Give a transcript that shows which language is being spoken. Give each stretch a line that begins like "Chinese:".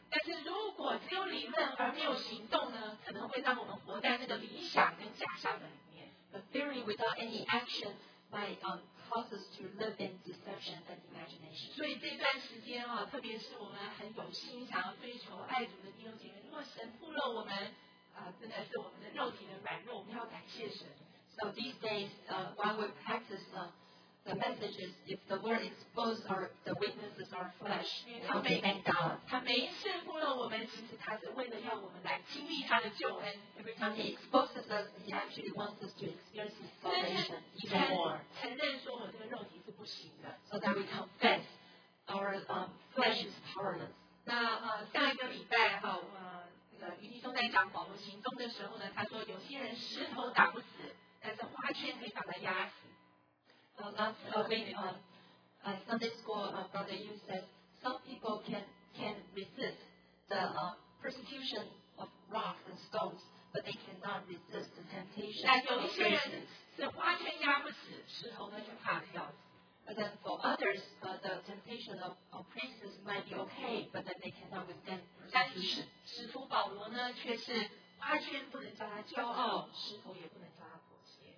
Chinese: 但是如果只有理论而没有行动呢，可能会让我们活在那个理想跟假象的里面。
English: The theory without any action might cause us to live in deception and imagination.
Chinese: 所以这段时间啊，特别是我们很有心想要追求爱主的弟兄姐妹，如果神暴露我们真的是我们的肉体的软弱，我们要感谢神。
English: So these days while we practice the messages, if the word exposes our, the weaknesses of our flesh, we thank God.
Chinese: 他每一次暴露我们，其实他是为了要我们来经历他的救恩。
English: Every time he exposes us, he actually wants us to experience his salvation even more.
Chinese: 承认说我这个肉体是不行的。
English: So that we confess our flesh is powerless.
Chinese: 那下一个礼拜哈，余弟兄在讲保罗行动的时候呢，他说有些人石头打不死，但是花圈可以把它压死。
English: Last week, Sunday school, Brother Yu said some people can resist the persecution of rocks and stones, but they cannot resist the temptation.
Chinese: 但有一些人是花圈压不死，石头呢就怕掉。
English: But then for others, the temptation of princes might be okay, but then they cannot withstand persecution.
Chinese: 但使徒保罗呢，却是花圈不能叫他骄傲，石头也不能叫他妥协。